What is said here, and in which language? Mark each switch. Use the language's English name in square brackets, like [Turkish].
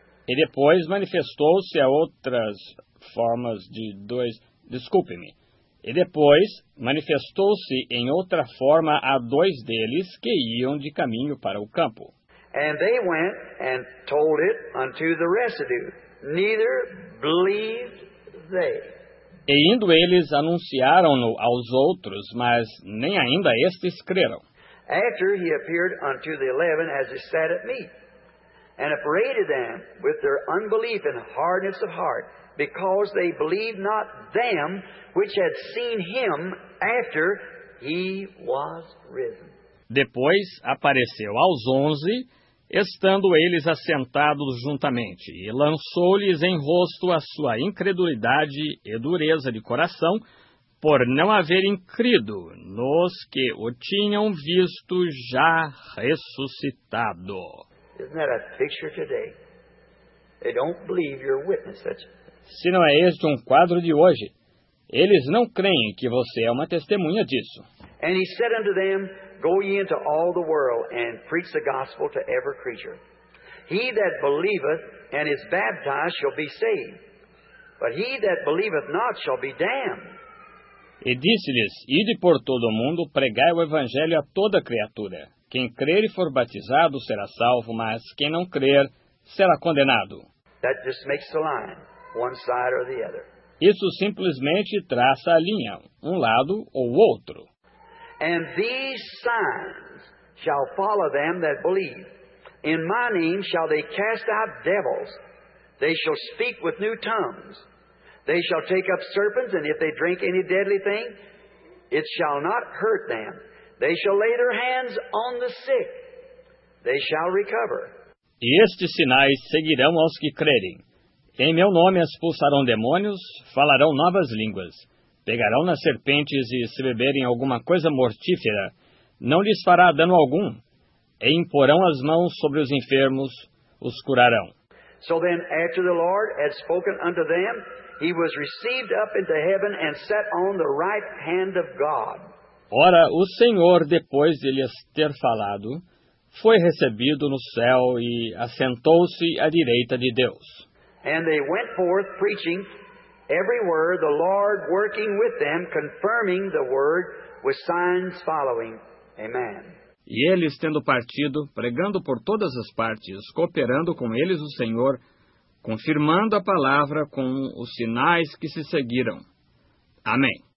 [Portuguese] E depois manifestou-se a outras formas de dois... Desculpe-me. E depois manifestou-se em outra forma a dois deles que iam de caminho para o campo. [English] And they went and told it unto the residue. Neither believed they. [Portuguese] E indo eles, anunciaram-no aos outros, mas nem ainda estes creram. [English] After he appeared unto the 11 as he sat at meat, and upbraided them with their unbelief and hardness of heart, because they believed not them which had seen him after he was risen. [Portuguese] Depois apareceu aos 11, estando eles assentados juntamente, e lançou-lhes em rosto a sua incredulidade e dureza de coração, por não haverem crido nos que o tinham visto já ressuscitado. [English] Isn't that a picture today? They don't believe your witness. [Portuguese] Se não é este um quadro de hoje, eles não creem que você é uma testemunha disso. [English] And he said unto them, go ye into all the world and preach the gospel to every creature. He that believeth and is baptized shall be saved, but he that believeth not shall be damned. [Portuguese] E disse-lhes, ide por todo o mundo, pregai o evangelho a toda criatura. Quem crer e for batizado será salvo, mas quem não crer será condenado. [English] That just makes the line, one side or the other. [Portuguese] Isso simplesmente traça a linha, um lado ou outro. [English] And these signs shall follow them that believe. In my name shall they cast out devils. They shall speak with new tongues. They shall take up serpents, and if they drink any deadly thing, it shall not hurt them. They shall lay their hands on the sick. They shall recover. [Portuguese] E estes sinais seguirão aos que crerem. Em meu nome expulsarão demônios, falarão novas línguas. Pegarão nas serpentes e se beberem alguma coisa mortífera, não lhes fará dano algum, e imporão as mãos sobre os enfermos, os curarão. [English] So then, after the Lord had spoken unto them, he was received up into heaven and sat on the right hand of God. [Portuguese] Ora, o Senhor, depois de lhes ter falado, foi recebido no céu e assentou-se à direita de Deus. [English] And they went forth preaching everywhere, the Lord working with them, confirming the word with signs following. Amen. [Portuguese] E eles tendo partido, pregando por todas as partes, cooperando com eles o Senhor, confirmando a palavra com os sinais que se seguiram. Amém.